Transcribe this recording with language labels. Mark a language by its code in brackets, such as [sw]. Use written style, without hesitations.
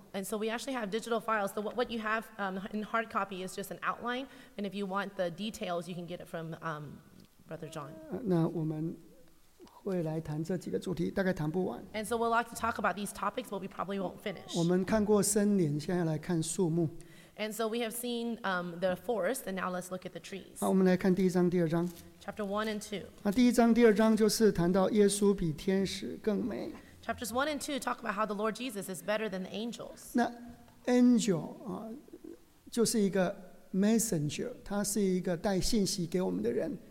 [en] And so we actually have digital files. So what you have in hard copy is just an outline. And if you want the details, you can get it from Brother John. [zh] 那我们会。未来谈这几个主题大概谈不完。 [en] And so we'll like to talk about these topics, but we probably won't finish. [zh] 我们看过森林, 现在来看树木。 [en] And so we have seen the forest, and now let's look at the trees. [zh] 好，我们来看第一章、第二章。 [en] Chapter 1 and 2. [zh] 那第一章、第二章就是谈到耶稣比天使更美。 [en] Chapters 1 and 2 talk about how the Lord Jesus is better than the angels. [zh] 那angel 就是一个messenger, 他是一个带信息给我们的人。